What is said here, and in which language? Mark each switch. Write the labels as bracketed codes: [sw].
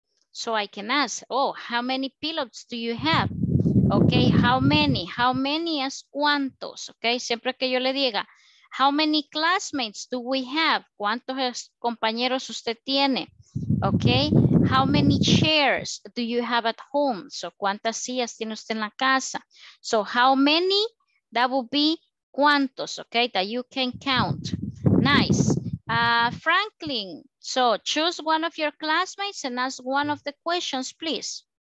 [en] So I can ask, oh, how many pilots do you have? Okay, how many? How many [es] es cuántos? [en] Okay, [es] siempre que yo le diga, [en] how many classmates do we have? [es] ¿Cuántos compañeros usted tiene? [en] Okay, how many chairs do you have at home? [es] So, ¿cuántas sillas tiene usted en la casa? [en] So, how many? That would be cuántos, okay, that you can count. Nice. Franklin, so choose one of your classmates and ask one of the questions, please.